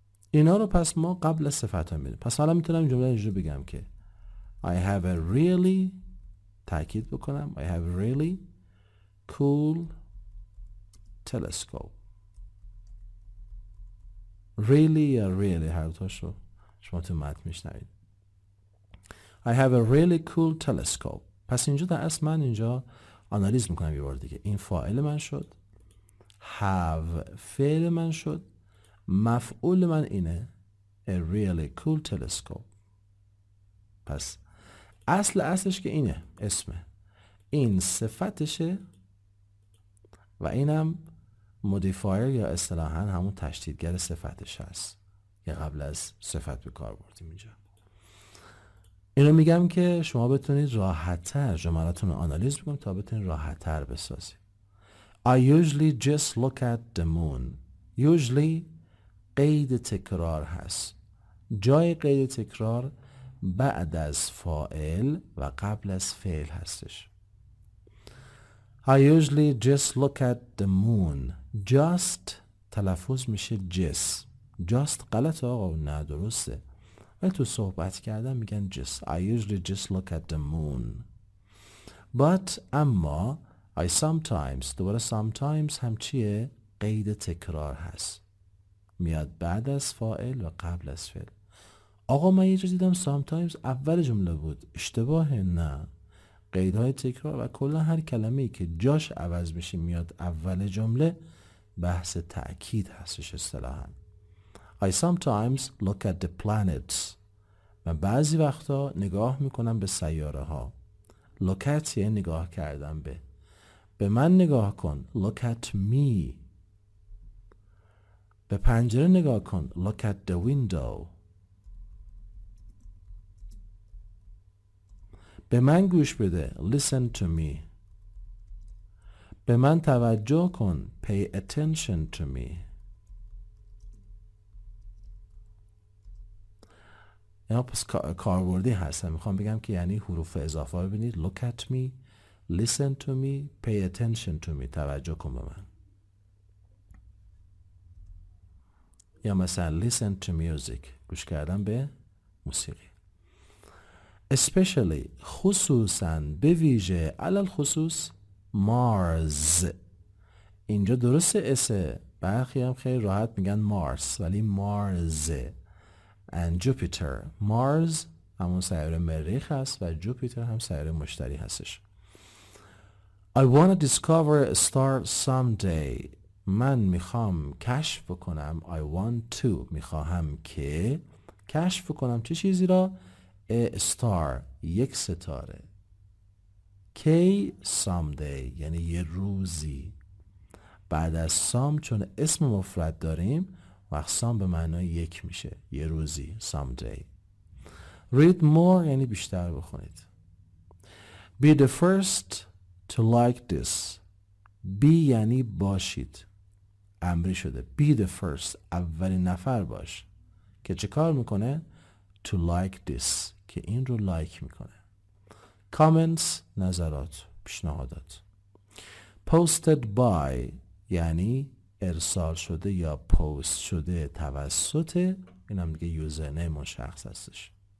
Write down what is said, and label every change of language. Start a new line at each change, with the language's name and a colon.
Persian: اینا رو پس ما قبل صفت ها میدیم. پس حالا میتونم این جمله اینجور بگم که
English: I have a really،
Persian: تأکید بکنم،
English: I have a really cool telescope.
Persian: Really یا really هر دوتا شو شما تو مت میشنوید.
English: I have a really cool telescope.
Persian: پس اینجا در اصل من اینجا آنالیز میکنم یه بار دیگه. این فاعل من شد، have فعل من شد، مفعول من اینه
English: a really cool telescope.
Persian: پس اصل اصلش که اینه، اسمه، این صفتشه و اینم modifier یا اصطلاحاً همون تشدیدگر صفتش هست که قبل از صفت به کار بردیم اینجا. اینو میگم که شما بتونید راحت‌تر جملاتون رو آنالیز بکنید تا بتونید راحت‌تر بسازید.
English: I usually just look at the moon.
Persian: Usually قید تکرار هست. جای قید تکرار بعد از فاعل و قبل از فعل هستش.
English: I usually just look at the moon.
Persian: Just تلفظ میشه جس. Just غلط آقا، نه درسته. ولی تو صحبت کردن میگن جس.
English: I usually just look at the moon.
Persian: But اما
English: I sometimes،
Persian: دوباره sometimes هم چیه؟ قید تکرار هست. میاد بعد از فاعل و قبل از فعل. آقا من یه جا دیدم sometimes اول جمله بود. اشتباهه؟ نه. قیدهای تکرار و کلا هر کلمه ای که جاش عوض میشه میاد اول جمله، بحث تأکید هستش اصطلاحا.
English: I sometimes look at the planets.
Persian: من بعضی وقتا نگاه میکنم به سیاره ها.
English: Look at
Persian: یه نگاه کردم به. به من نگاه کن.
English: Look at me.
Persian: به پنجره نگاه کن.
English: Look at the window.
Persian: به من گوش بده.
English: Listen to me.
Persian: به من توجه کن.
English: Pay attention to me.
Persian: اینا پس کاربردی هستن. میخوام بگم که یعنی حروف اضافه ببینید.
English: Look at me. Listen to me. Pay attention to me.
Persian: توجه کن به من. یا مثلا
English: listen to music.
Persian: گوش کردم به موسیقی. Especially خصوصا، به ویژه، علل خصوص مارز. اینجا درسته اسه، برخی هم خیلی راحت میگن مارس، ولی مارز and جوپیتر. مارز همون سیاره مریخ هست و جوپیتر هم سیاره مشتری هستش.
English: I wanna discover a star someday.
Persian: من میخوام کشف بکنم.
English: I want to،
Persian: میخواهم که کشف کنم چه چیزی را؟
English: A star،
Persian: یک ستاره. کی؟ someday، یعنی یه روزی. بعد از some، چون اسم مفرد داریم، وقت some به معنای یک میشه، یه روزی، someday.
English: Read more،
Persian: یعنی بیشتر بخونید.
English: Be the first to like this.
Persian: Be یعنی باشید، امری شده.
English: Be the first،
Persian: اولین نفر باش که چه کار میکنه؟
English: To like this،
Persian: که این رو لایک میکنه. Comments، نظرات، پیشنهادات.
English: Posted by
Persian: یعنی ارسال شده یا پست شده توسط، اینم دیگه یوزرنیم اون شخص هستش.